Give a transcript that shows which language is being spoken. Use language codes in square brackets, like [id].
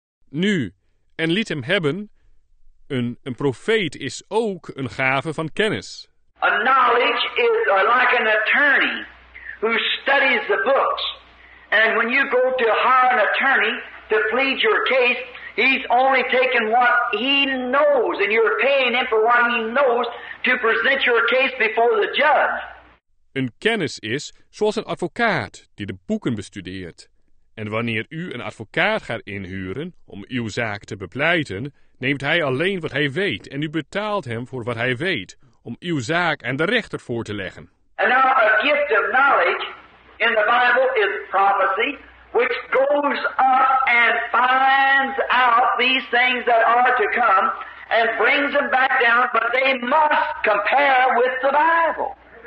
[nl] Nu, en liet hem hebben, een profeet is ook een gave van kennis. [en] A knowledge is like an attorney who studies the books. And when you go to hire an attorney to plead your case, he's only taking what he knows, and you're paying him for what he knows to present your case before the judge. [nl] Een kennis is zoals een advocaat die de boeken bestudeert. En wanneer u een advocaat gaat inhuren om uw zaak te bepleiten, neemt hij alleen wat hij weet en u betaalt hem voor wat hij weet om uw zaak aan de rechter voor te leggen. [en] And now a gift of knowledge in the Bible is prophecy, which goes up and finds out these things that are to come and brings them back down, but they must compare with the Bible.